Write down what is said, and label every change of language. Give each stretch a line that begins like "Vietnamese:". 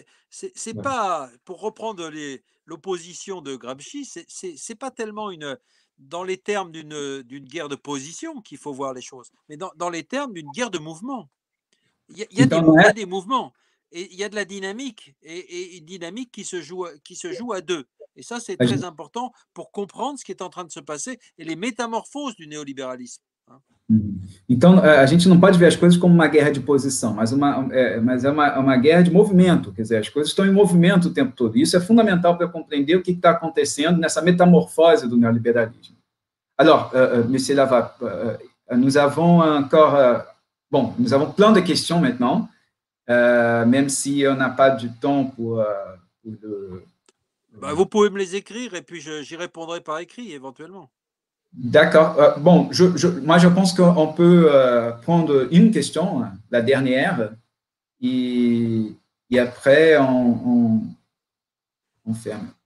French: C'est pas, pour reprendre l'opposition de Gramsci, c'est pas tellement dans les termes d'une guerre de position qu'il faut voir les choses, mais dans les termes d'une guerre de mouvement. Il y a des mouvements, et il y a de la dynamique, et une dynamique qui se joue à deux. Et ça, c'est très important pour comprendre ce qui est en train de se passer et les métamorphoses du néolibéralisme.
Portuguese: Então, a gente não pode ver as coisas como uma guerra de posição, mas é uma guerra de movimento, quer dizer, as coisas estão em movimento o tempo todo, e isso é fundamental para compreender o que está acontecendo nessa metamorfose do neoliberalismo.
French: Alors, monsieur Lavap, nous avons encore... Bon, nous avons plein de questions maintenant, même si on n'a pas du temps pour de... Bah, vous pouvez me les écrire, et puis j'y répondrai par écrit, éventuellement. D'accord. Bon, je pense qu'on peut prendre une question, la dernière, et après, on ferme.